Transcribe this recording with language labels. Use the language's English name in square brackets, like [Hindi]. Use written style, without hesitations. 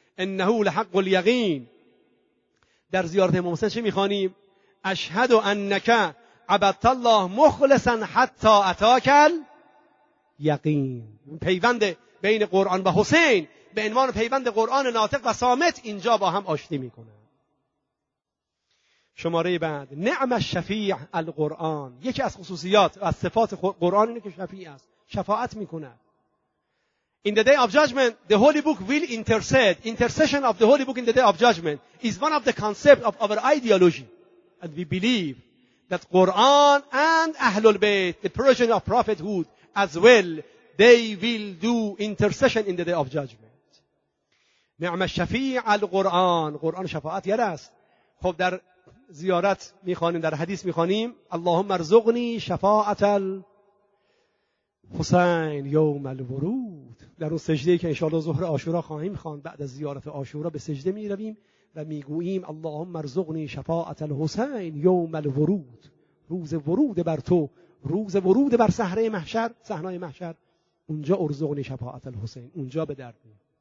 [Arabic] انه لحق اليقین، [Persian] در زیارت امام حسین چه میخوانیم؟ [Arabic] اشهد انک عبدت الله مخلصا حتی اتاک الیقین. [Persian] پیوند بین قرآن و حسین به عنوان پیوند قرآن ناطق و صامت اینجا با هم آشتی میکنه. شماره بعد، [Arabic] نعم الشفیع القرآن. [Persian] یکی از خصوصیات و از صفات قرآن اینه که شفیع است، شفاعت میکنه. [English] In the day of judgment, the holy book will intercede. Intercession of the holy book in the day of judgment is one of the concepts of our ideology. And we believe that Quran and Ahlul Bayt, the progeny of prophethood as well, they will do intercession in the day of judgment. [Arabic] نعم الشفیع القرآن. [Persian] قرآن شفاعت یاد است. خب در زیارت میخوانیم، در حدیث میخوانیم، [Arabic] اللهم ارزقنی شفاعت حسین یوم الورود. [Persian] در اون سجده که انشاءالله ظهر عاشورا خواهیم خواند، بعد از زیارت عاشورا به سجده می رویم و می گوییم [Arabic] اللهم ارزقنی شفاعت الحسین یوم الورود، [Persian] روز ورود بر تو، روز ورود بر صحرای محشر، صحنای محشر، اونجا [Arabic] ارزقنی شفاعت الحسین، [Persian] اونجا به درد می.